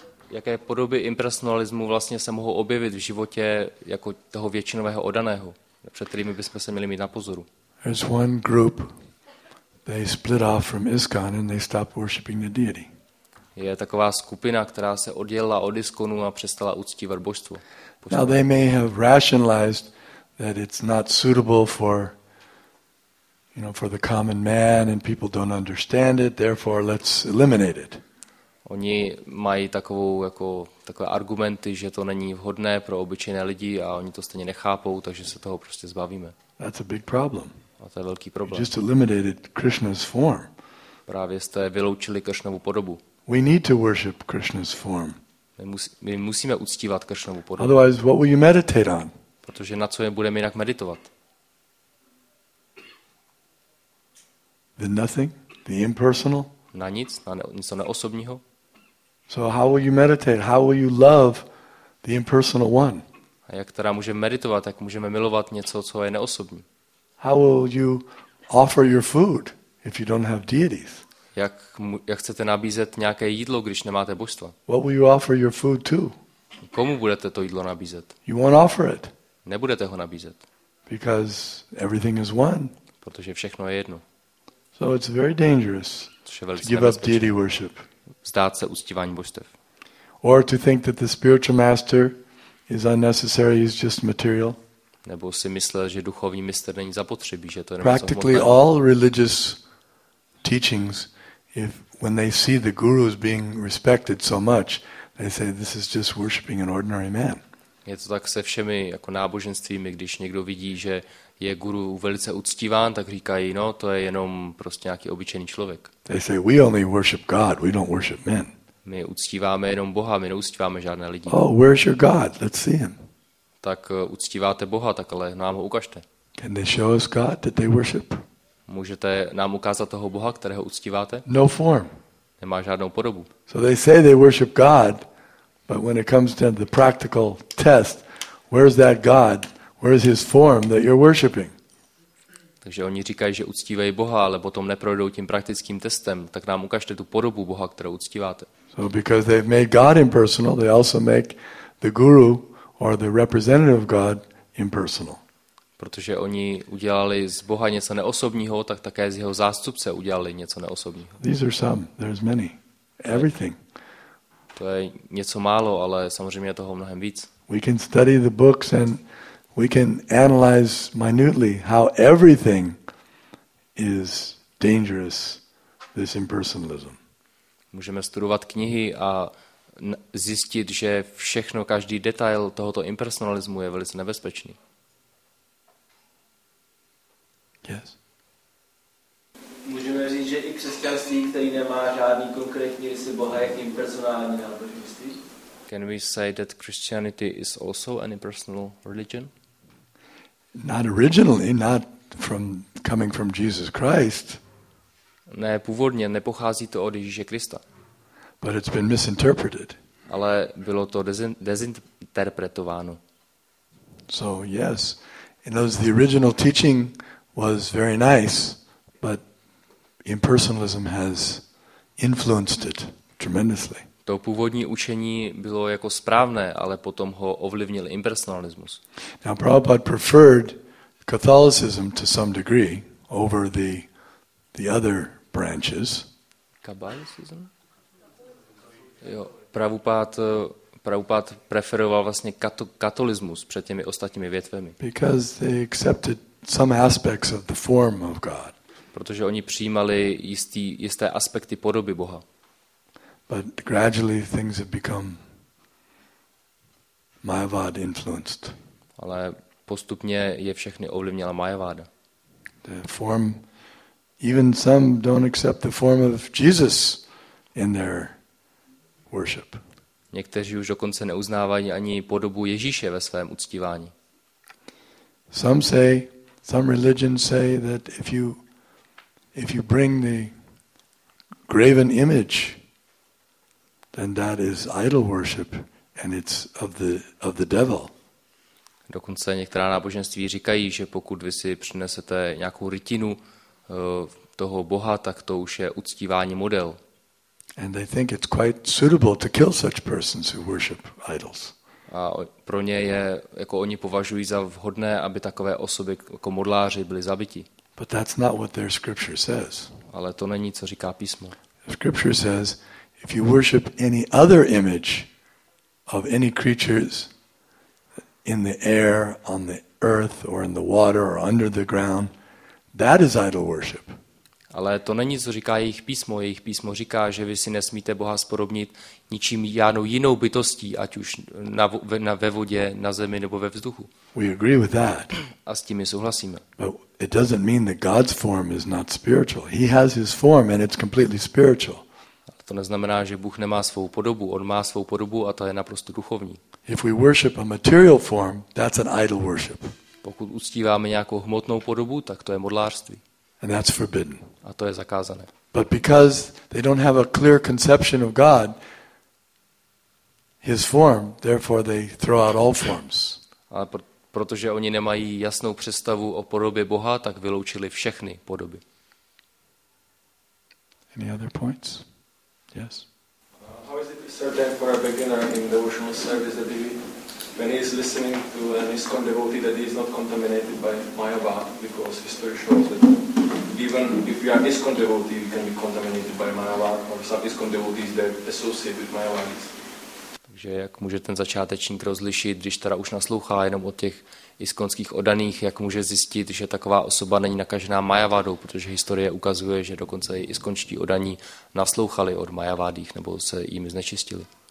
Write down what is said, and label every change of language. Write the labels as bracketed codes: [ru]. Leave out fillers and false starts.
[cs] Jaké podoby impersonalismu vlastně se mohou objevit v životě jako toho většinového oddaného, před kterými bychom se měli mít na pozoru? [en] There's one group, they split off from ISKCON and they stop worshiping the deity. [cs] Je taková skupina, která se oddělila od ISKCONu a přestala uctívat božstvo. [en] Now they may have rationalized that it's not suitable for, you know, for the common man and people don't understand it, therefore let's eliminate it. [cs] Oni mají takové argumenty, že to není vhodné pro obyčejné lidi a oni to stejně nechápou, takže se toho prostě zbavíme. [en] That's a big problem. [cs] A to je velký problém. [en] You just eliminated Krishna's form. [cs] Právě jste vyloučili Krishnovu podobu. [en] We need to worship Krishna's form. [cs] My musíme uctívat Krishnovu podobu. [en] Otherwise, what will you meditate on? [cs] Protože na co je budeme jinak meditovat? [en] The nothing, the impersonal. [cs] Na nic, na něco neosobního. [en] So how will you meditate? How will you love the impersonal one? [cs] A jak teda můžeme meditovat, jak můžeme milovat něco, co je neosobní? [en] How will you offer your food if you don't have deities? [cs] Jak chcete nabízet nějaké jídlo, když nemáte božstva? [en] What will you offer your food to? [cs] Komu budete to jídlo nabízet? [en] You won't offer it. [cs] Nebudete ho nabízet. [en] Because everything is one. [cs] Protože všechno je jedno. [en] So it's very dangerous to give up deity worship. [cs] Vzdát se uctívání božstev. [en] Or to think that the spiritual master is unnecessary, is just material. [cs] Nebo si myslel, že duchovní mistr není zapotřebí, že to je. [en] Practically all religious teachings, if when they see the gurus being respected so much, they say this is just worshiping an ordinary man. [cs] Je to tak se všemi jako náboženstvími, když někdo vidí, že je guru velice uctíván, tak říkají, no, to je jenom prostě nějaký obyčejný člověk. [en] They say we only worship God, we don't worship men. [cs] My uctíváme jenom Boha, my neuctíváme žádné lidi. [en] Oh, where's your God? Let's see him. [cs] Tak uctíváte Boha, tak ale nám ho ukažte. [en] Can they show us God that they worship? [cs] Můžete nám ukázat toho Boha, kterého uctíváte? [en] No form. [cs] Nemá žádnou podobu. [en] So they say they worship God, but when it comes to the practical test, where's that God? Where is his form that you're worshiping? [cs] Takže oni říkají, že uctívají Boha, ale potom neprojdou tím praktickým testem, tak nám ukažte tu podobu Boha, kterou uctíváte. [en] So because they've made God impersonal, they also make the guru or the representative of God impersonal. [cs] Protože oni udělali z Boha něco neosobního, tak také z jeho zástupce udělali něco neosobního. [en] These are some, there's many. Everything. [cs] To je něco málo, ale samozřejmě toho mnohem víc. [en] We can study the books and we can analyze minutely how everything is dangerous, this impersonalism. [cs] Můžeme studovat knihy a zjistit, že všechno, každý detail tohoto impersonalismu je velice nebezpečný. [en] Yes. [cs] Můžeme říct, že i křesťanství, který nemá žádný konkrétní rysy Boha, je impersonální, ale [en] can we say that Christianity is also an impersonal religion? Not originally, not from coming from Jesus Christ. [cs] Ne, původně nepochází to od Ježíše Krista. [en] But it's been misinterpreted. [cs] Ale bylo to dezinterpretováno. [en] So yes, in those the original teaching was very nice, but impersonalism has influenced it tremendously. [cs] To původní učení bylo jako správné, ale potom ho ovlivnil impersonalismus. [en] Now Prabhupada preferred Catholicism to some degree over the other branches. Catholicism? [cs] Jo, Prabhupada preferoval vlastně katolismus před těmi ostatními větvemi. [en] Because they accepted some aspects of the form of God. [cs] Protože oni přijímali jisté aspekty podoby Boha. [en] But gradually things have become Mayavad influenced. [cs] Ale postupně je všechny ovlivnila Mayavada. [en] The form, even some don't accept the form of Jesus in their worship. [cs] Někteří už dokonce neuznávají ani podobu Ježíše ve svém uctívání. [en] Some religions say that if you bring the graven image, then that is idol worship and it's of the devil. [cs] Dokonce některá náboženství říkají, že pokud vy si přinesete nějakou rytinu toho Boha, tak to už je uctívání model. [en] And they think it's quite suitable to kill such persons who worship idols. [cs] A pro ně je, jako oni považují za vhodné, aby takové osoby jako modláři byli zabiti. [en] But that's not what their scripture says. [cs] Ale to není, co říká písmo. [en] Scripture says, if you worship any other image of any creatures in the air, on the earth, or in the water, or under the ground, that is idol worship. [cs] Ale to není, co říká jejich písmo. Jejich písmo říká, že vy si nesmíte Boha zpodobnit ničím žádnou jinou bytostí, ať už ve vodě, na zemi nebo ve vzduchu. [en] We agree with that. [cs] A s tím souhlasíme. [en] But it doesn't mean that God's form is not spiritual. He has his form and it's completely spiritual. [cs] Ale to neznamená, že Bůh nemá svou podobu. On má svou podobu a to je naprosto duchovní. [en] If we worship a material form, that's an idol worship. [cs] Pokud uctíváme nějakou hmotnou podobu, tak to je modlářství. [en] And that's forbidden. [cs] A to je zakázané. [en] But because they don't have a clear conception of God, his form, therefore they throw out all forms. [cs] Ale protože oni nemají jasnou představu o podobě Boha, tak vyloučili všechny podoby. [en] Any other points? Yes. How is it certain for a beginner in devotional service that when he is listening to an ISKCON devotee that he is not contaminated by Mayavada, because history shows that even if you are ISKCON devotee, you can be contaminated by Mayavada, or some ISKCON devotees that associate with Mayavada. [cs] Takže jak může ten začátečník rozlišit, když teda už naslouchá jenom od těch iskonských odaných, jak může zjistit, že taková osoba není nakažená Mayavadou, protože historie ukazuje, že dokonce i iskonští odaní naslouchali od Mayavadých nebo se jimi znečistili.